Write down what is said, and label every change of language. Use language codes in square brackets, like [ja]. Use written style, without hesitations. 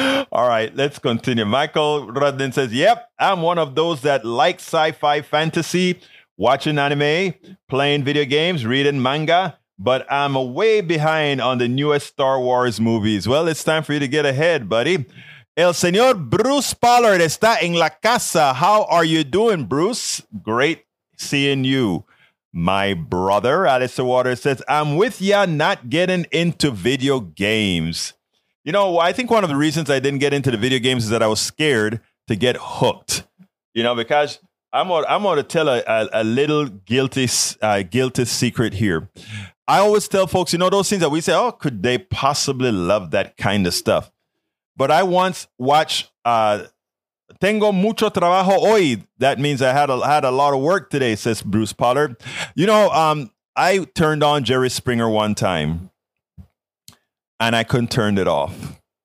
[en] All right, let's continue. Michael Rodnin says, yep, I'm one of those that like sci-fi fantasy, watching anime, playing video games, reading manga. but I'm way behind on the newest Star Wars movies. Well, it's time for you to get ahead, buddy. [es] El señor Bruce Pollard está en la casa. [en] How are you doing, Bruce? Great seeing you. My brother, Alistair Waters, says, I'm with ya, not getting into video games. You know, I think one of the reasons I didn't get into the video games is that I was scared to get hooked. You know, because I'm going to tell a little guilty secret here. I always tell folks, you know, those things that we say, oh, could they possibly love that kind of stuff? But I once watched [es] Tengo Mucho Trabajo Hoy. [en] That means I had a lot of work today, says Bruce Pollard. You know, I turned on Jerry Springer one time, and I couldn't turn it off.